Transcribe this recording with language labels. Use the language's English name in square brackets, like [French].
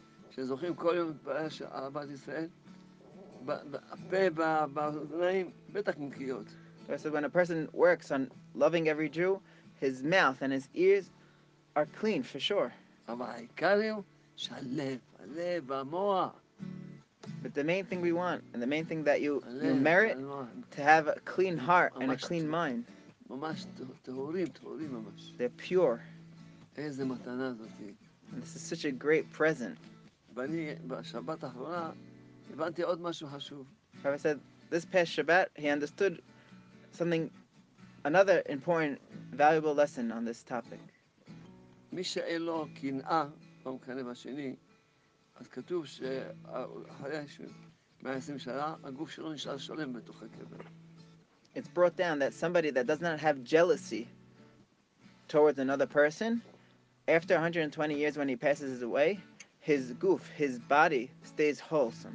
[Hebrew] שזוכים כל יום להתפלל על בת ישראל, בפה, באוזניים, בטח נקיות. [English] So when a person works on loving every Jew, his mouth and his ears are clean for sure. [Hebrew] אבל העיקר הוא שהלב, הלב, המוח. [English] But the main thing we want, and the main thing that you merit, to have a clean heart and a clean mind. [Hebrew] ממש טהורים, טהורים ממש. [English] They're pure. [Hebrew] איזה מתנה זאת. [English] And this is such a great present. [Hebrew] ואני בשבת האחרונה הבנתי עוד משהו חשוב. [English] Rabbi said, this past Shabbat, he understood something, another important, valuable lesson on this topic. [Hebrew] מי שאין לו קנאה במקנה בשני, אז כתוב שאחרי ש120 שנה, הגוף שלו נשאר שלם בתוך הקבר. [English] It's brought down that somebody that does not have jealousy towards another person, after 120 years when he passes away, his goof, his body, stays whole.